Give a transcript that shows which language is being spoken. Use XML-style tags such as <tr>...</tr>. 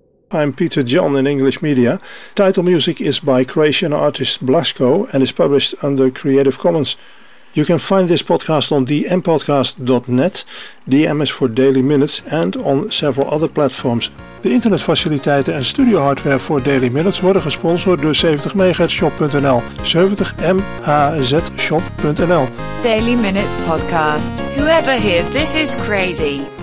<en>I'm Peter John in English Media. Title music is by Croatian artist Blasco and is published under Creative Commons. You can find this podcast on dmpodcast.net, DM is for Daily Minutes, and on several other platforms.</en> <nl>De internetfaciliteiten en studio hardware voor Daily Minutes worden gesponsord door 70MHzShop.nl. 70MHzShop.nl.</nl> <en>Daily Minutes Podcast. Whoever hears this is crazy.</en>